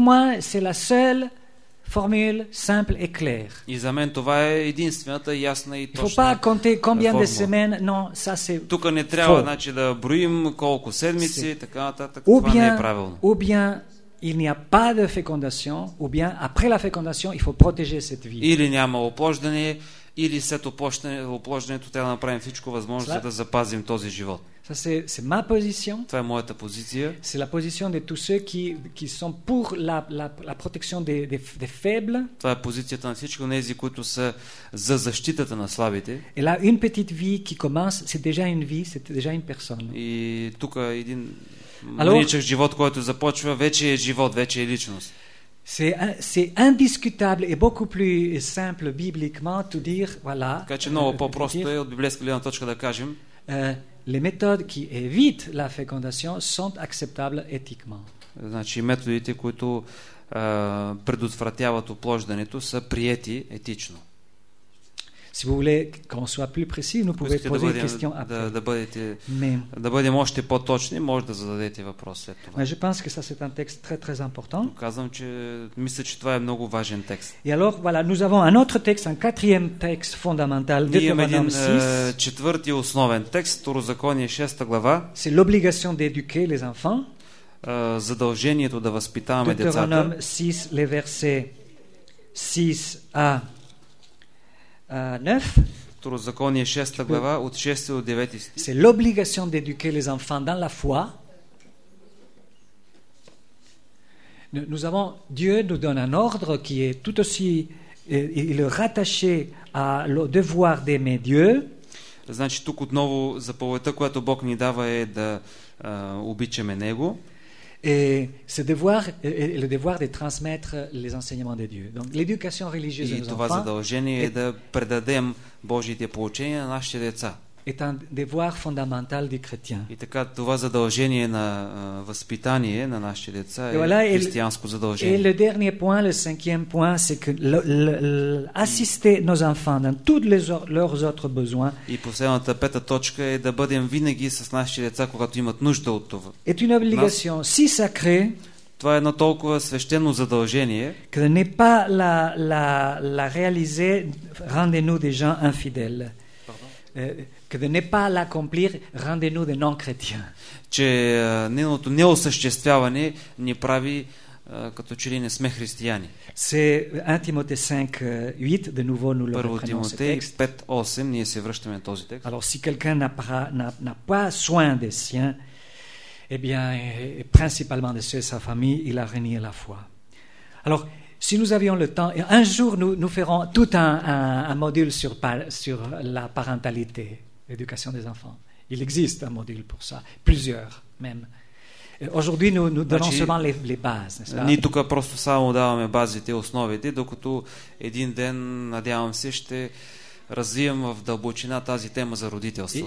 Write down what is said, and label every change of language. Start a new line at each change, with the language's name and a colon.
French: moi, c'est la seule formule simple et claire. Il ne faut pas compter combien de semaines, non, ça c'est faux. Ou bien il n'y a pas de fécondation, ou bien après la fécondation, il faut protéger cette vie.
Bulgarian: Или няма оплождане, или след оплождането трябва да направим всичко възможно, за да запазим този живот.
French: Ça, c'est ma position.
Bulgarian: Това е моята позиция.
French: C'est la position de tous ceux qui sont pour la protection des faibles.
Bulgarian: Това е позицията на всички тези, които са за защитата на слабите.
French: Et là, une petite vie qui commence, c'est déjà une vie, c'est déjà une personne.
Bulgarian: И тук един маличък живот, който започва, вече е живот, вече е личност.
French: C'est indiscutable et beaucoup plus simple bibliquement de dire voilà.
Bulgarian: Така че много по-просто е от библейска гледна точка да кажем.
French: Les méthodes qui évitent la fécondation sont acceptables éthiquement.
Bulgarian: Значи методите, които предотвратяват оплождането, са приети етично.
French: Si vous voulez qu'on soit plus précis, nous pouvons poser une question après.
Bulgarian: Да бъдем още по-точни, може да зададете въпрос след това.
French: Mais je pense que ça c'est un texte très très important.
Bulgarian: Казвам, че мисля, че това е много важен текст.
French: Et alors voilà, nous avons un autre texte, un quatrième texte fondamental de Deutéronome 6.
Bulgarian: Четвърти основен текст, Второзаконие 6 глава.
French: C'est l'obligation d'éduquer les enfants.
Bulgarian: Задължението да възпитаваме децата.
French: Deutéronome 6, les versets 6 à 9.
Bulgarian: Второзаконие 6 глава от 6 до 9 стих.
French: C'est l'obligation d'éduquer les enfants dans la foi. Nous avons Dieu nous donne un ordre qui est tout aussi il est rattaché à le devoir d'aimer Dieu.
Bulgarian: Значи тук отново заповедта, която Бог ни дава е да обичаме него.
French: Et ce devoir est le devoir de transmettre les enseignements de Dieu. Donc l'éducation religieuse aux enfants. Et
Bulgarian: това задължение е да предадем Божиите поучения на нашите деца.
French: Est un devoir fondamental du chrétien.
Bulgarian: И така това задължение на възпитание на нашите деца е християнско задължение.
French: Et le dernier point, le cinquième point, c'est que assister nos enfants dans tous leurs autres besoins.
Bulgarian: И последната пета точка е да бъдем винаги с нашите деца, когато имат нужда от това.
French: Est une obligation si sacrée.
Bulgarian: Това е едно толкова свещено задължение.
French: Que de ne pas la réaliser rendez-nous des gens infidèles. Que de ne pas l'accomplir, rendez-nous des non-chrétiens.
Bulgarian: Че нейното неосъществяване ни прави като че ли не сме християни.
French: C'est 1 Timothée 5, 8, de nouveau nous le reprenons.
Bulgarian: 1 Timothée 5, 8, ние се връщаме на този текст.
French: Alors, si quelqu'un n'a pas soin des siens, eh bien, et principalement de ceux de sa famille, il a renié la foi. Alors, si nous avions le temps, un jour nous ferons tout un module sur la parentalité, l'éducation des enfants. Il existe un module pour ça, plusieurs même. Et aujourd'hui nous donnons seulement les bases.
Bulgarian: Ние тук просто само даваме базите, основите, докато един ден, надявам се, ще развием в дълбочина тази тема за родителство.